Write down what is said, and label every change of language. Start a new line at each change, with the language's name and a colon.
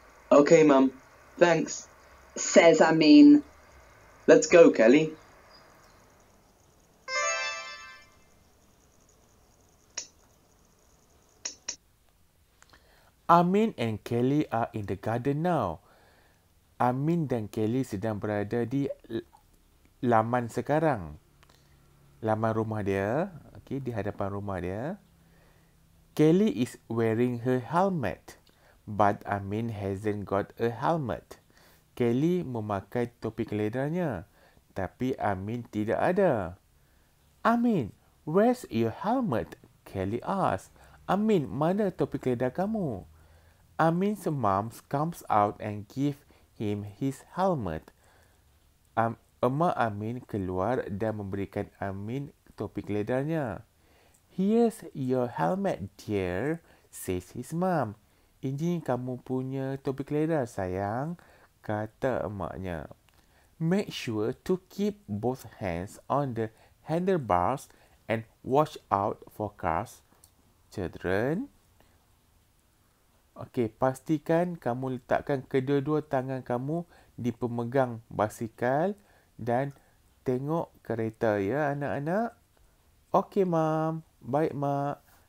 English: Okay, mum. Thanks, says Amin. Let's go, Kelly. Amin and Kelly are in the garden now.
Malay: Amin dan Kelly sedang berada di laman sekarang. Laman rumah dia, okay, di hadapan rumah dia.
English: Kelly is wearing her helmet, but Amin hasn't got a helmet.
Malay: Kelly memakai topi keledarnya, tapi Amin tidak ada.
English: Amin, where's your helmet? Kelly asks.
Malay: Amin, mana topi keledar kamu?
English: Amin's mom comes out and gives him his helmet.
Malay: Emak Amin keluar dan memberikan Amin topi keledarnya.
English: Here's your helmet, dear, says his mom.
Malay: Ini kamu punya topi keledar, sayang, kata emaknya.
English: Make sure to keep both hands on the handlebars and watch out for cars, children.
Malay: Okey, pastikan kamu letakkan kedua-dua tangan kamu di pemegang basikal dan tengok kereta ya, anak-anak. Okey, mam. Baik, mak.